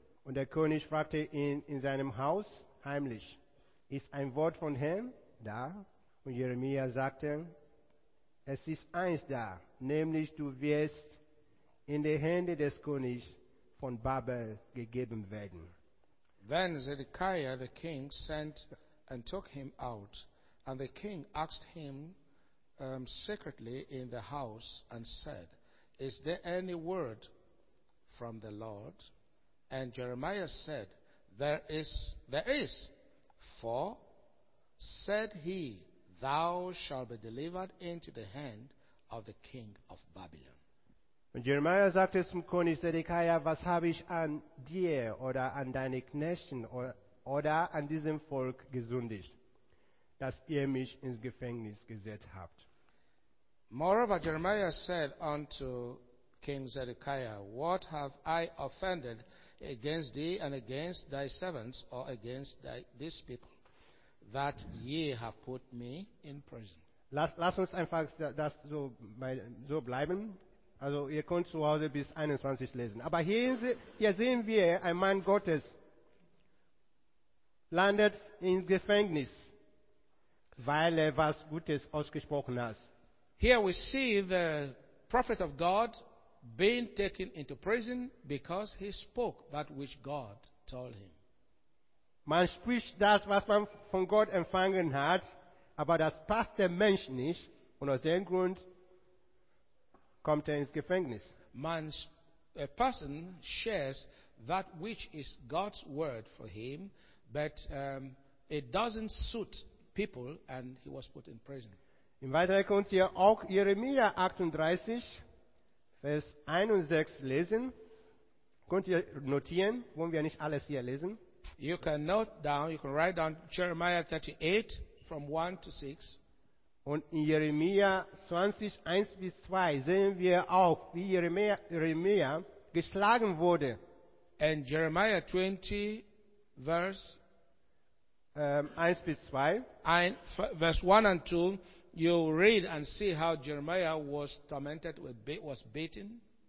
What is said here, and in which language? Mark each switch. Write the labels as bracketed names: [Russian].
[German] Und der König fragte ihn in seinem Haus heimlich, ist ein Wort von Herrn da? Und Jeremia sagte, es ist eins da, nämlich du wirst in die Hände des Königs von Babel gegeben werden. [English] Then Zedekiah the king sent and took him out, and the king asked him secretly in the house and said, is there any word from the Lord? And Jeremiah said, there is, for said he, thou shalt be delivered into the hand of the king of Babylon. [German] Und Jeremiah sagte zum König Zedekiah, was habe ich an dir oder an deine Knechten oder an diesem Volk gesündigt, dass ihr mich ins Gefängnis gesetzt habt? [English] Moreover, Jeremiah said unto King Zedekiah, what have I offended against thee and against thy servants or against this people, that ye have put me in prison? [German] Lass uns einfach das so bleiben. Also ihr könnt zu Hause bis 21 lesen. Aber hier sehen wir, ein Mann Gottes landet im Gefängnis, weil er was Gutes ausgesprochen hat. [English] Here we see the prophet of God being taken into prison because he spoke that which God told him. [German] Man spricht das, was man von Gott empfangen hat, aber das passt dem Mensch nicht, und aus dem Grund kommt er ins Gefängnis. [English] A person shares that which is God's word for him, but it doesn't suit people, and he was put in prison. [German] Im Weiteren könnt ihr auch Jeremia 38, Vers 1 und 6 lesen. Könnt ihr notieren, wollen wir nicht alles hier lesen? [English] You can note down, you can write down Jeremiah 38, from 1 to 6. [German] Und in Jeremia 20, 1 bis 2 sehen wir auch, wie Jeremia geschlagen wurde. [English] In Jeremiah 20, Vers 1 and 2, you read and see how Jeremiah was tormented, was beaten.